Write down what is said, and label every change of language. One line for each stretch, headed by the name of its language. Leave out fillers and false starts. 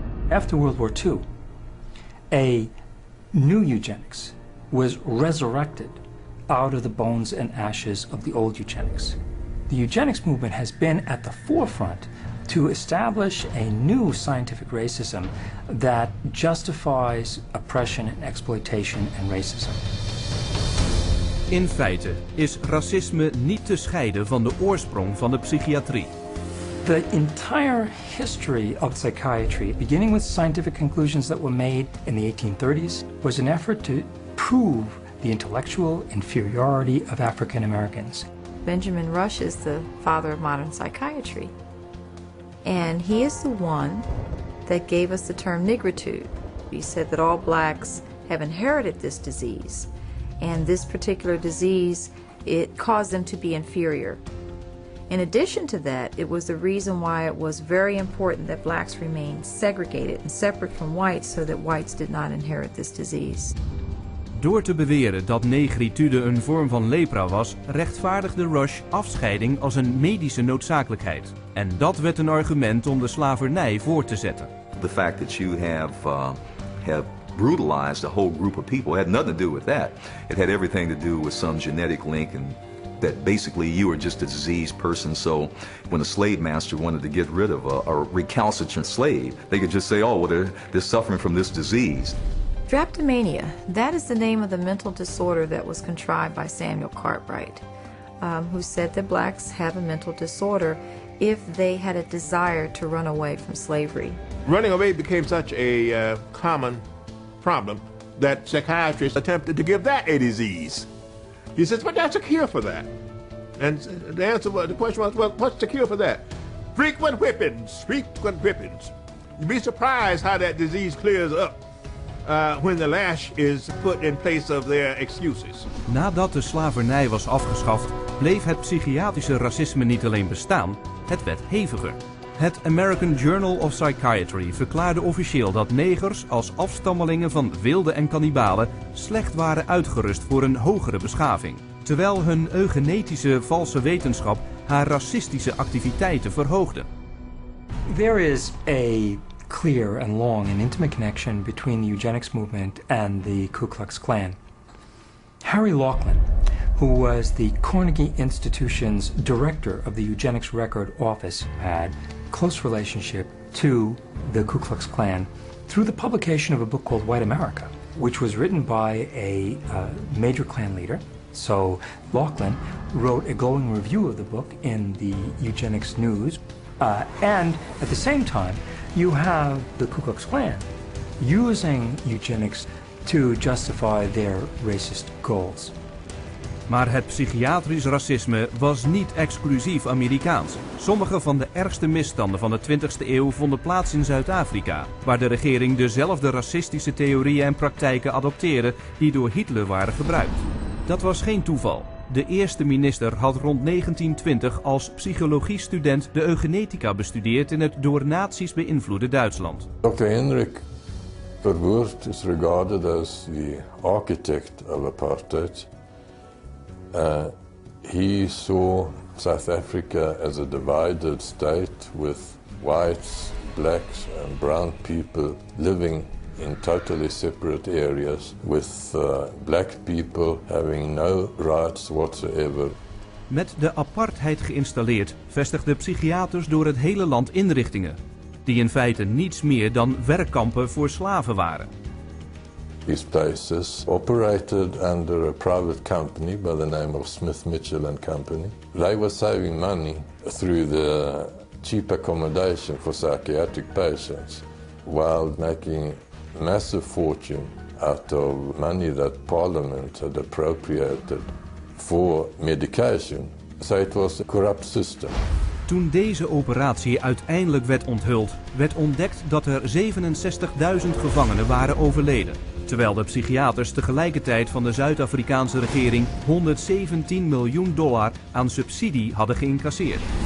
English: After World War II, a new eugenics was resurrected out of the bones and ashes of the old eugenics. The eugenics movement has been at the forefront to establish a new scientific racism that justifies oppression and exploitation and racism.
Dutch: In feite is racisme niet te scheiden van de oorsprong van de psychiatrie.
English: The entire history of psychiatry, beginning with scientific conclusions that were made in the 1830s, was an effort to prove the intellectual inferiority of African Americans. Benjamin Rush is the father of modern psychiatry, and he is the one that gave us the term nigritude. He said that all blacks have inherited this disease, and this particular disease, it caused them to be inferior. In addition to that, it was the reason why it was very important that blacks remain segregated and separate from whites so that whites did not inherit this disease.
Dutch: Door te beweren dat negritude een vorm van lepra was, rechtvaardigde Rush afscheiding als een medische noodzakelijkheid. En dat werd een argument om de slavernij voort te zetten.
English: The fact that you have brutalized a whole group of people had nothing to do with that. It had everything to do with some genetic link and that basically you are just a diseased person. So when a slave master wanted to get rid of a recalcitrant slave, they could just say, oh, well, they're suffering from this disease. Dreptomania, that is the name of the mental disorder that was contrived by Samuel Cartwright, who said that blacks have a mental disorder if they had a desire to run away from slavery. Running away became such a common problem that psychiatrists attempted to give that a disease. He says, but that's a cure for that. And the answer was, the question was, well, what's the cure for that? Frequent whippings. You'd be surprised how that disease clears up when the lash is put in place of their excuses.
Dutch: Nadat de slavernij was afgeschaft, bleef het psychiatrische racisme niet alleen bestaan, het werd heviger. Het American Journal of Psychiatry verklaarde officieel dat negers als afstammelingen van wilden en kannibalen slecht waren uitgerust voor een hogere beschaving, terwijl hun eugenetische valse wetenschap haar racistische activiteiten verhoogde.
English: There is a clear and long and intimate connection between the eugenics movement and the Ku Klux Klan. Harry Loughlin, who was the Carnegie Institution's director of the Eugenics Record Office, had close relationship to the Ku Klux Klan through the publication of a book called White America, which was written by a major Klan leader. So Loughlin wrote a glowing review of the book in the Eugenics News. And at the same time, you have the Ku Klux Klan using eugenics to justify their racist goals.
Dutch: Maar het psychiatrisch racisme was niet exclusief Amerikaans. Sommige van de ergste misstanden van de 20e eeuw vonden plaats in Zuid-Afrika, waar de regering dezelfde racistische theorieën en praktijken adopteerde die door Hitler waren gebruikt. Dat was geen toeval. De eerste minister had rond 1920 als psychologiestudent de eugenetica bestudeerd in het door nazi's beïnvloede Duitsland.
English: Dr. Hendrik Verwoerd is regarded as the architect of apartheid. He saw South Africa as a divided state with whites, blacks and brown people living in totally separate areas, with black people having no rights whatsoever.
Dutch: Met de apartheid geïnstalleerd vestigden psychiaters door het hele land inrichtingen die in feite niets meer dan werkkampen voor slaven waren.
English: These places operated under a private company by the name of Smith Mitchell and Company. They were saving money through the cheap accommodation for psychiatric patients while making a massive fortune out of money that Parliament had appropriated for medication. So it was a corrupt system.
Dutch: Toen deze operatie uiteindelijk werd onthuld, werd ontdekt dat er 67.000 gevangenen waren overleden, terwijl de psychiaters tegelijkertijd van de Zuid-Afrikaanse regering $117 miljoen aan subsidie hadden geïncasseerd.